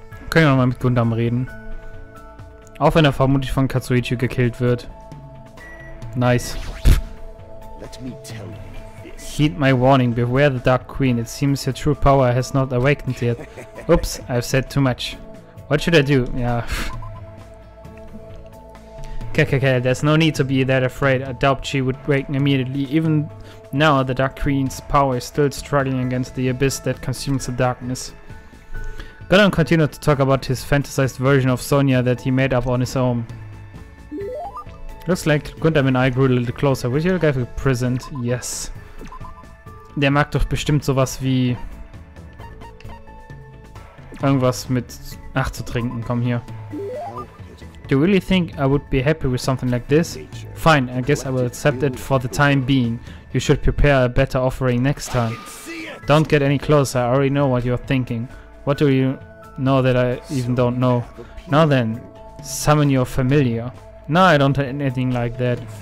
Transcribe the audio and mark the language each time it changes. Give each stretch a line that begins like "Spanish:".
German: Können wir mal mit Gundam reden? Auch wenn er vermutlich von Katsuichi gekillt wird.
English: Nice. Let me tell you. Heed my warning, beware the Dark Queen, it seems your true power has not awakened yet. Oops, I've said too much. What should I do? Yeah. Okay, there's no need to be that afraid. I doubt she would awaken immediately. Even now, the Dark Queen's power is still struggling against the abyss that consumes the darkness. Gonna continue to talk about his fantasized version of Sonya that he made up on his own. Looks like Gundam and I grew a little closer. Would you like a present? Yes.
German: Der mag doch bestimmt sowas wie irgendwas mit Ach zu trinken. Komm hier.
English: Do you really think I would be happy with something like this? Fine, I guess I will accept it for the time being. You should prepare a better offering next time. Don't get any closer, I already know what you're thinking. What do you know that I even don't know? Now then, summon your familiar. No, I don't have anything like that.